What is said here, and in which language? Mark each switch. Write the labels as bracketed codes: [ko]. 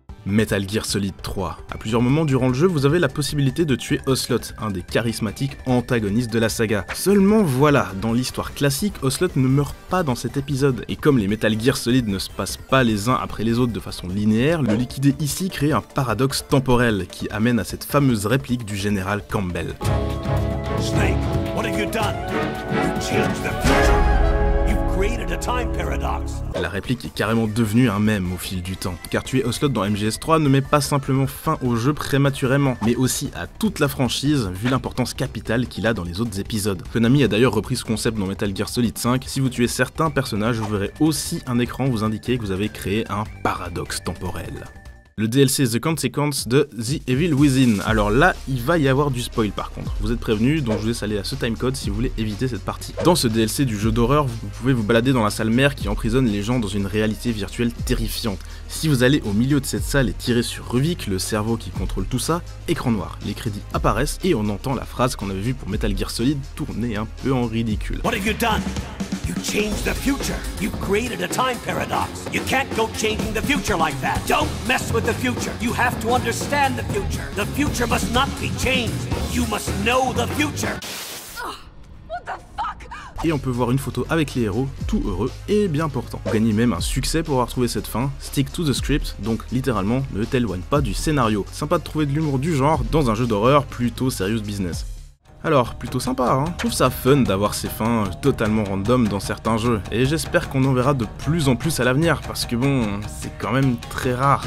[fr] Metal Gear Solid 3. À plusieurs moments durant le jeu, vous avez la possibilité de tuer Ocelot, un des charismatiques antagonistes de la saga. Seulement voilà, dans l'histoire classique, Ocelot ne meurt pas dans cet épisode. Et comme les Metal Gear Solid ne se passent pas les uns après les autres de façon linéaire, le liquider ici crée un paradoxe temporel qui amène à cette fameuse réplique du général Campbell. [en] Snake, what have you done? You changed the future. You've created a time paradox. [fr] La réplique est carrément devenue un mème au fil du temps. Car tuer Ocelot dans MGS3 ne met pas simplement fin au jeu prématurément, mais aussi à toute la franchise, vu l'importance capitale qu'il a dans les autres épisodes. Konami a d'ailleurs repris ce concept dans Metal Gear Solid 5. Si vous tuez certains personnages, vous verrez aussi un écran vous indiquer que vous avez créé un paradoxe temporel. Le DLC The Consequence de The Evil Within. Alors là, il va y avoir du spoil par contre. Vous êtes prévenus, donc je vous laisse aller à ce timecode si vous voulez éviter cette partie. Dans ce DLC du jeu d'horreur, vous pouvez vous balader dans la salle mère qui emprisonne les gens dans une réalité virtuelle terrifiante. Si vous allez au milieu de cette salle et tirez sur Ruvik, le cerveau qui contrôle tout ça, écran noir, les crédits apparaissent et on entend la phrase qu'on avait vue pour Metal Gear Solid tourner un peu en ridicule. [en] What have you done? You changed the future. You created a time paradox. You can't go changing the future like that. Don't mess with the future. You have to understand the future. The future must not be changed. You must know the future. [fr] Et on peut voir une photo avec les héros, tout heureux et bien portant. Vous gagnez même un succès pour avoir trouvé cette fin, stick to the script, donc littéralement, ne t'éloigne pas du scénario. Sympa de trouver de l'humour du genre dans un jeu d'horreur plutôt [en] serious business. [fr] Alors, plutôt sympa, hein. Je trouve ça fun d'avoir ces fins totalement random dans certains jeux, et j'espère qu'on en verra de plus en plus à l'avenir, parce que bon, c'est quand même très rare.